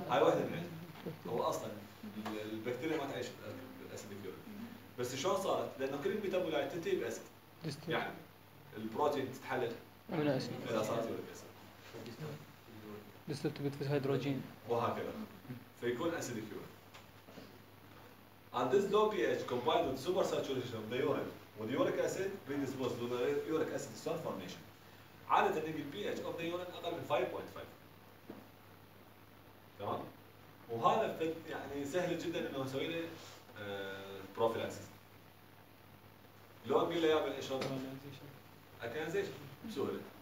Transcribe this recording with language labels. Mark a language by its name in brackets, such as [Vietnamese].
[Arabic] هاي واحدة من هو أصلاً البكتيريا ما تعيش بالأسيديك يورين. بس شلون صارت؟ لأنه كل الميتابولايت تنتهي بأسيد. يعني البروتين تتحلل. من أسيد. إذا صارت يورين أسيد. بيستوي في الهيدروجين وهكذا فيكون اسيديك يورين. [English] And this low pH combined with super saturation of the urine with uric acid predisposed to the uric acid salt formation. [Arabic] عادة يجي pH of the urine أقل من 5.5 تمام؟ وهذا يعني سهل جدا إنه نسوي له بروفيلاكسيس. لو نقول له يا ابن اشرب أكنزيشن بسهولة.